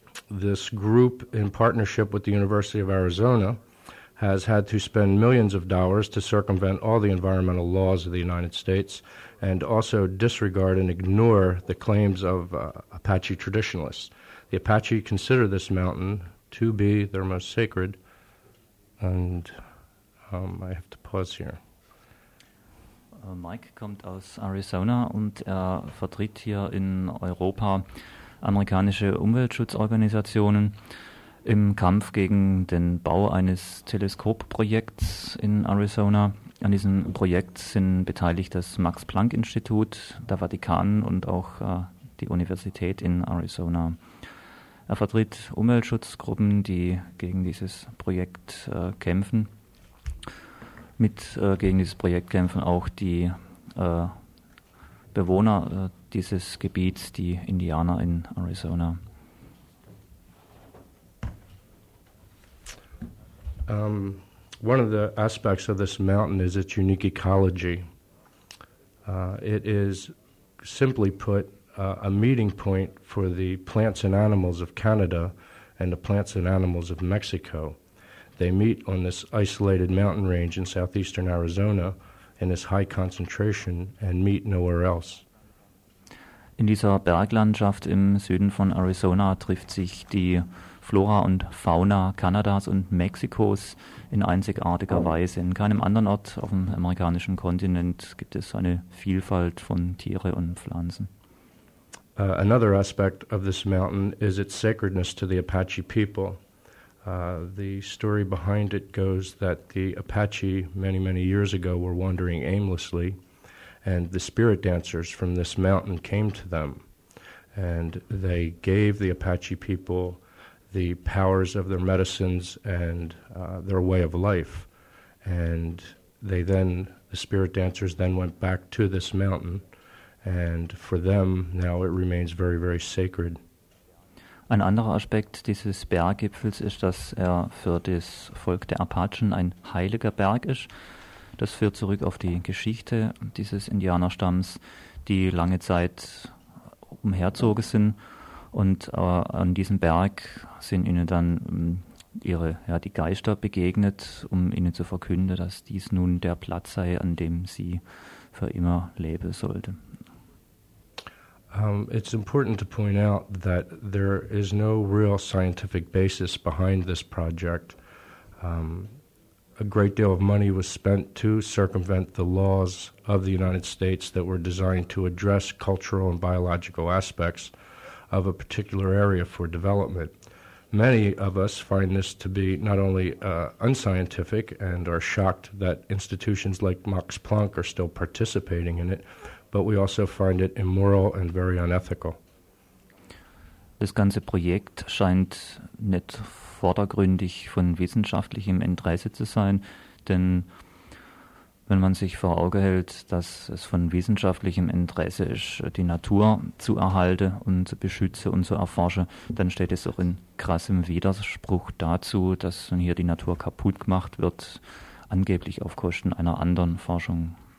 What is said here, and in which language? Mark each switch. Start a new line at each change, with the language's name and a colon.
English: This group, in partnership with the University of Arizona, has had to spend millions of dollars to circumvent all the environmental laws of the United States and also disregard and ignore the claims of Apache traditionalists. The Apache consider this mountain to be their most sacred, and I have to pause here.
German: Mike kommt aus Arizona und er vertritt hier in Europa amerikanische Umweltschutzorganisationen im Kampf gegen den Bau eines Teleskopprojekts in Arizona. An diesem Projekt sind beteiligt das Max-Planck-Institut, der Vatikan und auch die Universität in Arizona. Er vertritt Umweltschutzgruppen, die gegen dieses Projekt kämpfen. Gegen dieses Projekt kämpfen auch die Bewohner dieses Gebiets, die Indianer in Arizona.
English: One of the aspects of this mountain is its unique ecology. It is, simply put, a meeting point for the plants and animals of Canada and the plants and animals of Mexico. They meet on this isolated mountain range in southeastern Arizona in this high concentration and meet nowhere else.
German: In dieser Berglandschaft im Süden von Arizona trifft sich die Flora und Fauna Kanadas und Mexikos in einzigartiger Weise. In keinem anderen Ort auf dem amerikanischen Kontinent gibt es eine Vielfalt von Tieren und Pflanzen.
English: Another aspect of this mountain is its sacredness to the Apache people. The story behind it goes that the Apache many, many years ago were wandering aimlessly, and the spirit dancers from this mountain came to them, and they gave the Apache people the powers of their medicines and their way of life. And the spirit dancers then went back to this mountain, and for them now it remains very, very sacred.
German: Ein anderer Aspekt dieses Berggipfels ist, dass er für das Volk der Apachen ein heiliger Berg ist. Das führt zurück auf die Geschichte dieses Indianerstamms, die lange Zeit umherzogen sind. Und an diesem Berg sind ihnen dann die Geister begegnet, um ihnen zu verkünden, dass dies nun der Platz sei, an dem sie für immer leben sollten.
English: It's important to point out that there is no real scientific basis behind this project. A great deal of money was spent to circumvent the laws of the United States that were designed to address cultural and biological aspects of a particular area for development. Many of us find this to be not only unscientific and are shocked that institutions like Max Planck are still participating in it, but we also find it immoral and very unethical.
German: Das ganze Projekt scheint nicht vordergründig von wissenschaftlichem Interesse zu sein, denn wenn man sich vor Augen hält, dass es von wissenschaftlichem Interesse ist, die Natur zu erhalten und zu beschützen und zu erforschen, dann steht es auch in krassem Widerspruch dazu, dass hier die Natur kaputt gemacht wird, angeblich auf Kosten einer anderen Forschung.